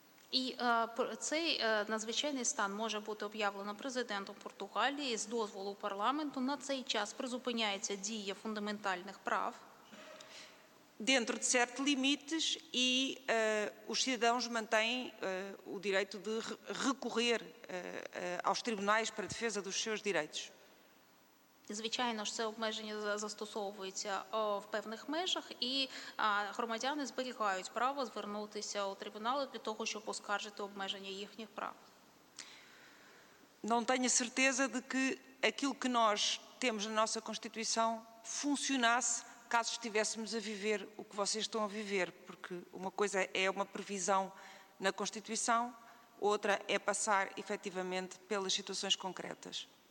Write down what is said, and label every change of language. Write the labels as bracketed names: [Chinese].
[Ukrainian] І цей надзвичайний стан може бути об'явлено президентом Португалії з дозволу парламенту. На цей час призупиняється дія фундаментальних прав. [Portuguese] Dentro de certos limites e os cidadãos mantêm o direito de recorrer aos tribunais para defesa dos seus direitos. [Ukrainian] Звичайно ж, це обмеження застосовується в певних межах, і громадяни зберігають право звернутися у трибунали для того, щоб оскаржити обмеження їхніх прав. [Portuguese] Não tenho certeza de que aquilo que nós temos na nossa Constituição funcionasse caso estivéssemos a viver o que vocês estão a viver, porque uma coisa é uma previsão na Constituição, outra é passar efetivamente pelas situações concretas.